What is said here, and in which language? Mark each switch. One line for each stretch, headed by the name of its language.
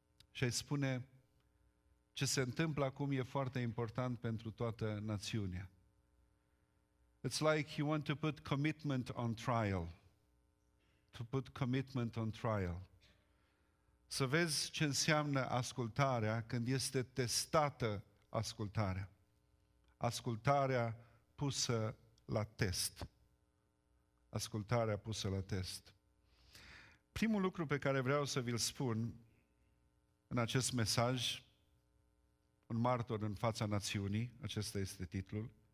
Romanian: Și ai spune, ce se întâmplă acum e foarte important pentru toată națiunea.
English: It's like you want to put commitment on trial. To put commitment on trial.
Romanian: Să vezi ce înseamnă ascultarea când este testată ascultarea. Ascultarea pusă la test. Ascultarea pusă la test. Primul lucru pe care vreau să vi-l spun în acest mesaj, un martor în fața națiunii, acesta este titlul.